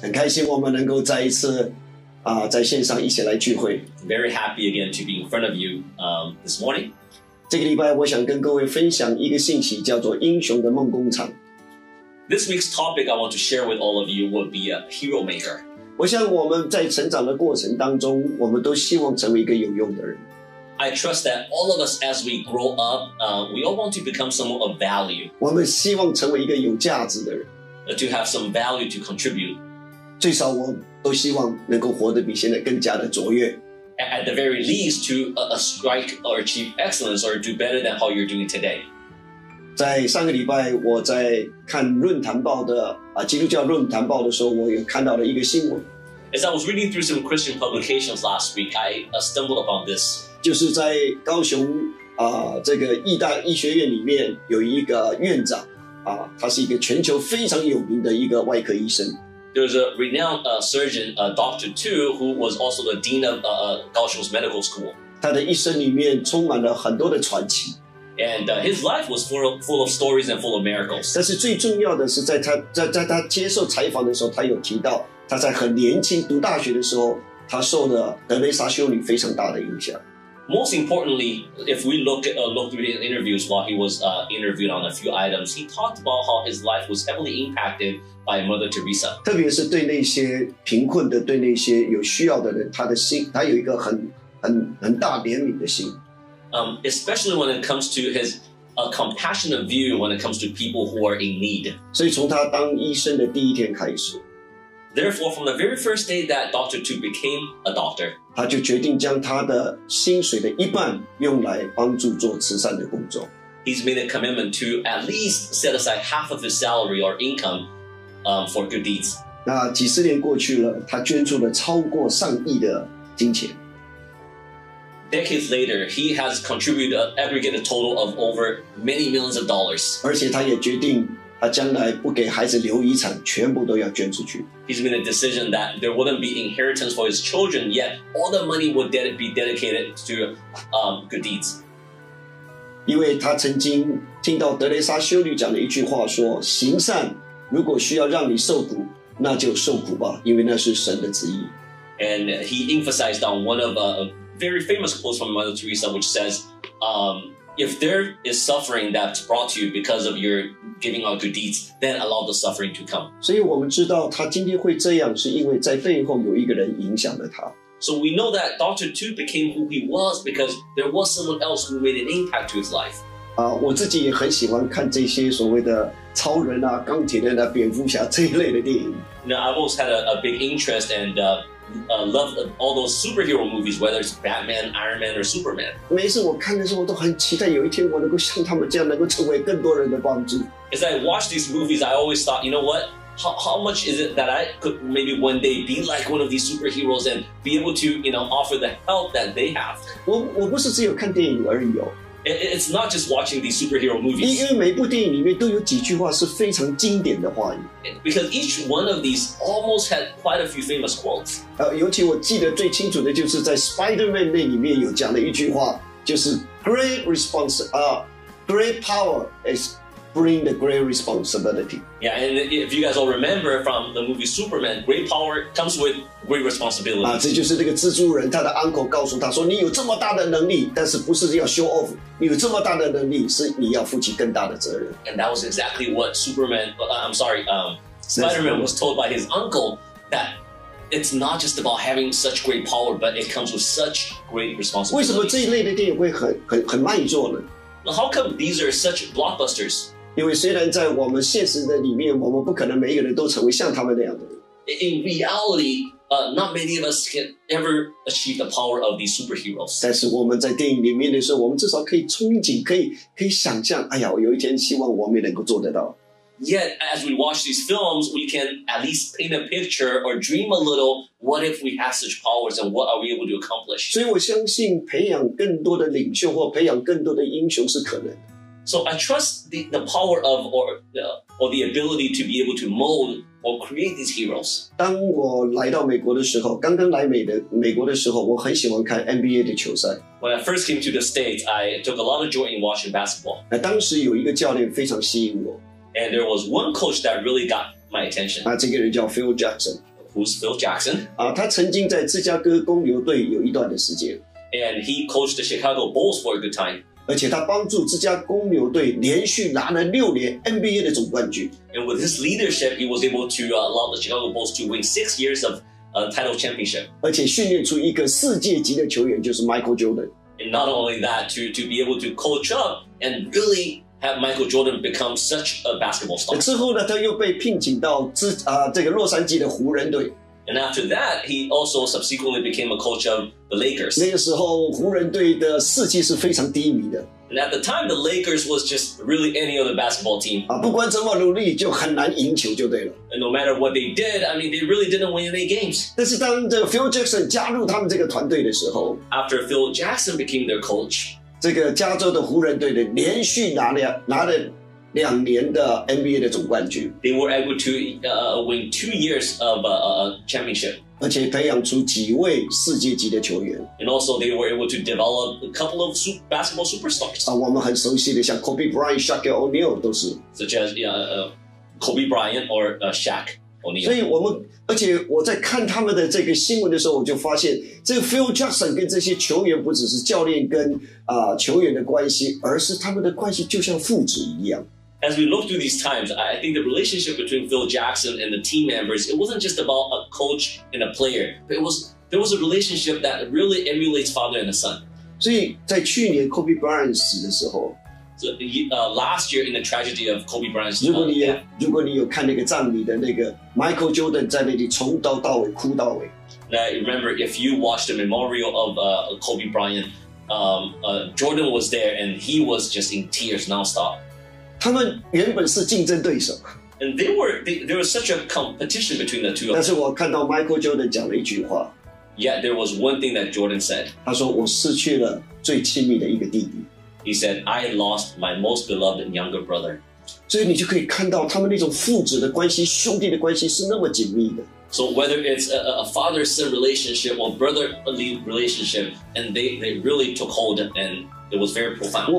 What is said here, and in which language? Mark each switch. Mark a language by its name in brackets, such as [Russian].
[Chinese] 很开心我们能够再一次在线上一起来聚会。 [English] Very happy again to be in front of you this morning. [Chinese] 这个礼拜我想跟各位分享一个信息，叫做英雄的梦工厂。 [English] This week's topic I want to share with all of you would be a hero maker. [Chinese] 我想我们在成长的过程当中，我们都希望成为一个有用的人。 [English] I trust that all of us as we grow up, we all want to become someone of value. [Chinese] 我们希望成为一个有价值的人。 [English] To have some value to contribute. [Chinese] 最少我都希望能够活得比现在更加的卓越。 [English] At the very least, to strike or achieve excellence or do better than how you're doing today. [Chinese] 在上个礼拜我在看论坛报的基督教论坛报的时候，我有看到了一个新闻。 [English] As I was reading through some Christian publications last week, I stumbled upon this. [Chinese] 就是在高雄这个义大医学院里面有一个院长他是一个全球非常有名的一个外科医生。 [English] There's a renowned surgeon, Dr. Tu, who was also the dean of Kaohsiung's medical school. [Chinese] 他的一生里面充满了很多的传奇。 [English] And his life was full of stories and full of miracles. [Chinese] 但是最重要的是在他接受采访的时候，他有提到他在很年轻读大学的时候，他受了德蕾莎修女非常大的影响。 [English] Most importantly, if we look through his interviews while he was interviewed on a few items, he talked about how his life was heavily impacted by Mother Teresa. [Chinese] 特别是对那些贫困的，对那些有需要的人，他的心，他有一个很大怜悯的心。 [English] Especially when it comes to his compassionate view when it comes to people who are in need. [Chinese] 所以从他当医生的第一天开始。 [English] Therefore, from the very first day that Dr. Tu became a doctor, [Chinese] 他就决定将他的薪水的一半用来帮助做慈善的工作。 [English] He's made a commitment to at least set aside half of his salary or income, for good deeds. [Chinese] 那几十年过去了，他捐出了超过上亿的金钱。 [English] Decades later, he has contributed an aggregate total of over many millions of dollars. [Chinese] 而且他也决定他将来不给孩子留遗产，全部都要捐出去。 [English] He's made a decision that there wouldn't be inheritance for his children, yet all the money would be dedicated to good deeds. [Chinese] 因为他曾经听到德蕾莎修女讲的一句话说，行善如果需要让你受苦，那就受苦吧，因为那是神的旨意。 [English] And he emphasized on one of a very famous quotes from Mother Teresa, which says, if there is suffering that's brought to you because of your giving out good deeds, then allow the suffering to come. [Chinese] 所以我们知道他今天会这样，是因为在背后有一个人影响了他。 [English] So we know that Dr. Tu became who he was because there was someone else who made an impact to his life. [Chinese] 我自己也很喜欢看这些所谓的超人啊、钢铁人啊、蝙蝠侠这一类的电影。 [English] Now, I've always had a big interest and love all those superhero movies, whether it's Batman, Iron Man, or Superman. [Chinese] 每次我看的时候，我都很期待有一天我能够像他们这样，能够成为更多人的帮助。 [English] As I watch these movies, I always thought, you know what? How much is it that I could maybe one day be like one of these superheroes and be able to, you know, offer the help that they have? [Chinese] 我不是只有看电影而已哦。 [English] It's not just watching these superhero movies. [Chinese] 因为每部电影里面都有几句话是非常经典的话语。 [English] Because each one of these almost had quite a few famous quotes. [Chinese] 尤其我记得最清楚的就是在 Spider-Man 那里面有讲的一句话，就是 [English] Great response, great power is bring the great responsibility. Yeah, and if you guys all remember from the movie Superman, great power comes with great responsibility. [Chinese] 这就是那个蜘蛛人，他的 uncle 告诉他说，你有这么大的能力，但是不是要 show off， 你有这么大的能力，是你要负起更大的责任。 [English] And that was exactly what Spider-Man was told by his uncle, that it's not just about having such great power, but it comes with such great responsibility. [Chinese] 为什么这一类的电影会很卖座呢？ [English] How come these are such blockbusters? [Chinese] 因为虽然在我们现实的里面，我们不可能每一个人都成为像他们那样的人。 [English] In reality, not many of us can ever achieve the power of these superheroes. [Chinese] 但是我们在电影里面的时候，我们至少可以憧憬，可以想象，哎呀，我有一天希望我们也能够做得到。 [English] Yet, as we watch these films, we can at least paint a picture or dream a little, what if we have such powers and what are we able to accomplish? [Chinese] 所以我相信培养更多的领袖或培养更多的英雄是可能。 [English] So I trust the power of or the ability to be able to mold or create these heroes. [Chinese] 当我来到美国的时候，刚刚来美国的时候，我很喜欢看 NBA 的球赛。 [English] When I first came to the States, I took a lot of joy in watching basketball. [Chinese] 当时有一个教练非常吸引我。 [English] And there was one coach that really got my attention. [Chinese] 这个人叫 Phil Jackson. [English] Who's Phil Jackson? [Chinese] 他曾经在芝加哥公牛队有一段的时间。 [English] And he coached the Chicago Bulls for a good time. [Chinese] 而且他帮助芝加公牛队连续拿了六年 NBA 的总冠军。 [English] And with his leadership, he was able to allow the Chicago Bulls to win 6 years of title championship. [Chinese] 而且训练出一个世界级的球员，就是 Michael Jordan. [English] And not only that, to be able to coach up and really... Have Michael Jordan become such a basketball star. [Chinese] 之后呢，他又被聘请到这个洛杉矶的湖人队。 [English] And after that, he also subsequently became a coach of the Lakers. [Chinese] 那个时候，湖人队的士气是非常低迷的。 [English] And at the time, the Lakers was just really any other basketball team. [Chinese] 不管怎么努力，就很难赢球，就对了。 [English] And no matter what they did, I mean, they really didn't win any games. [Chinese] 但是当这个 Phil Jackson 加入他们这个团队的时候 [English] ，After Phil Jackson became their coach. [Chinese] 这个加州的湖人队的连续拿了两年的 NBA 的总冠军。 [English] They were able to win 2 years of championship. [Chinese] 而且培养出几位世界级的球员。 [English] And also they were able to develop a couple of basketball superstars. [Chinese] 我们很熟悉的像 Kobe Bryant, Shaq O'Neal 都是。 [English] Such as Kobe Bryant or Shaq. [Chinese] 所以我们，而且我在看他们的这个新闻的时候，我就发现，这个 Phil Jackson 跟这些球员不只是教练跟球员的关系，而是他们的关系就像父子一样。 [English] As we look through these times, I think the relationship between Phil Jackson and the team members, it wasn't just about a coach and a player, but there was a relationship that really emulates father and a son. [Chinese] 所以在去年 Kobe Bryant 死的时候。 [English] So, last year in the tragedy of Kobe Bryant's death, [Chinese] 如果你有看那个葬礼的那个 Michael Jordan 在那里从头到尾哭到尾。 [English] Now, remember, if you watched the memorial of Kobe Bryant, Jordan was there and he was just in tears nonstop. [Chinese] 他们原本是竞争对手。 [English] And there was such a competition between the two of them. [Chinese] 但是我看到 Michael Jordan 讲了一句话。 [English] Yet there was one thing that Jordan said. [Chinese] 他说我失去了最亲密的一个弟弟。 [English] He said, I lost my most beloved younger brother. [Chinese] 所以你就可以看到他们那种父子的关系、兄弟的关系是那么紧密的。 [English] So whether it's a father-son relationship or brotherly relationship, and they really took hold, and it was very profound.